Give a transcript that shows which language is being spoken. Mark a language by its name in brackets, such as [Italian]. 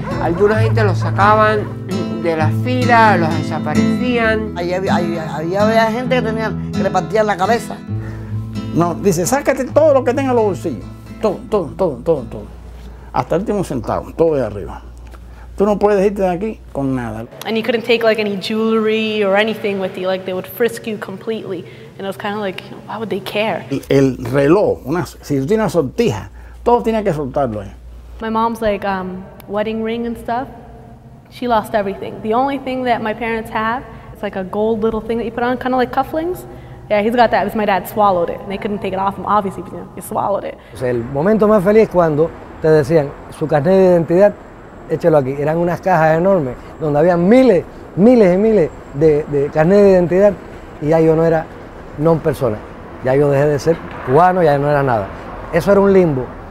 [Spanish] Alguna gente los sacaban de la fila, los desaparecían. Allí había gente que le partían la cabeza. No, dice, sácate todo lo que tenga en los bolsillos. Todo. Hasta el último centavo, todo de arriba. Tú no puedes irte de aquí con nada. [English] And you couldn't take like any jewelry or anything with you. Like they would frisk you completely. And I was kind of like, why would they care? [Spanish] El reloj, si tú tienes una sortija, todo tenía que soltarlo ahí. [English] My mom's like wedding ring and stuff. She lost everything. The only thing that my parents have, it's like a gold little thing that you put on, kind of like cufflinks. Yeah, he's got that. It's my dad swallowed it. And they couldn't take it off him, obviously, because you know, he swallowed it. [Spanish] O sea, el momento más feliz cuando te decían, su carnet de identidad, échelo aquí. Eran unas cajas enormes donde había miles y miles de carnet de identidad, y ya yo no era non persona. Ya yo dejé de ser cubano, ya no era nada. Eso era un limbo.